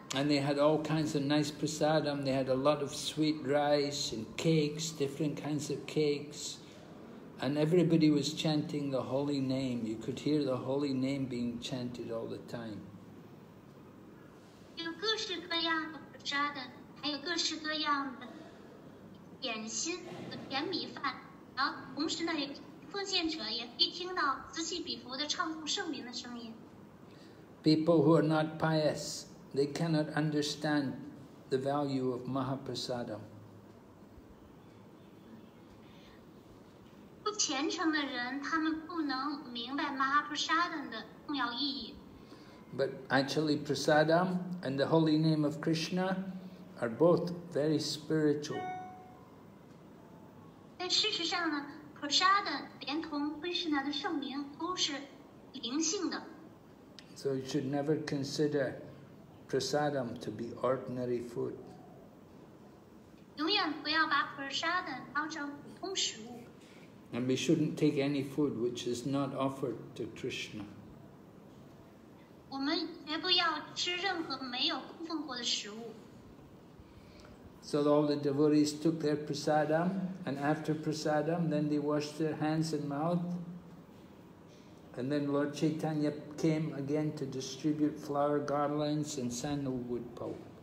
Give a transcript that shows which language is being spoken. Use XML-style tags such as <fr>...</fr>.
<en>And they had all kinds of nice prasadam. They had a lot of sweet rice and cakes, different kinds of cakes. And everybody was chanting the holy name. You could hear the holy name being chanted all the time.</en> <zh>有各式各样的普沙的，还有各式各样的点心和甜米饭，然后同时呢，奉献者也可以听到此起彼伏的唱诵圣名的声音。</zh> <en>People who are not pious, they cannot understand the value of Mahaprasadam.</en> <zh>不虔诚的人，他们不能明白 Mahaprasadam 的重要意义。</zh> <en>But actually, prasadam and the holy name of Krishna are both very spiritual.</en> <zh>但事实上呢 ，prasada 连同 Krishna 的圣名都是灵性的。</zh> <en>So you should never consider prasadam to be ordinary food.</en> <zh>永远不要把 prasada 当成普通食物。</zh> <en>And we shouldn't take any food which is not offered to Krishna.</en> <zh>我们绝不要吃任何没有供奉过的食物。</zh> <en>So all the devotees took their prasadam, and after prasadam, then they washed their hands and mouth, and then Lord Chaitanya came again to distribute flower garlands and sandalwood pulp.</en>